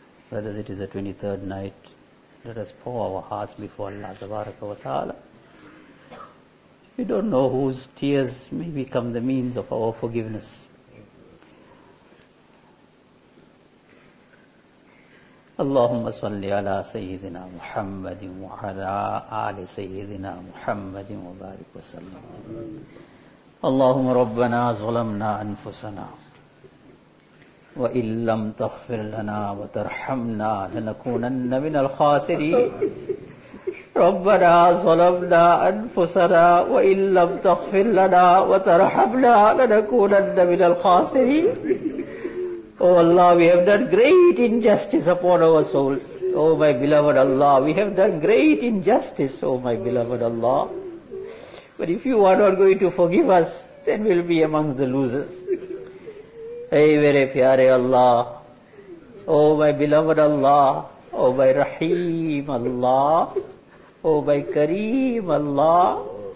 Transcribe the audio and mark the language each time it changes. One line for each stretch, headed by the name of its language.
English: Brothers, it is the 23rd night. Let us pour our hearts before Allah
Arabic: تبارك وتعالى.
English: We don't know whose tears may become the means of our forgiveness.
Arabic: اللهم صل على سيدنا محمد وعلى آل سيدنا محمد وبارك وسلم اللهم ربنا ظلمنا أنفسنا وإن لم تغفر لنا وترحمنا لنكونن من الخاسرين ربنا ظلمنا أنفسنا وإن لم تغفر لنا وترحمنا لنكونن من الخاسرين
English: Oh Allah, we have done great injustice upon our souls. Oh my beloved Allah, we have done great injustice, oh my beloved Allah. But if you are not going to forgive us, then we'll be amongst the losers.
Urdu: Hey, mere pyare Allah.
English: Oh my beloved Allah. Oh my Rahim Allah. Oh my Kareem Allah.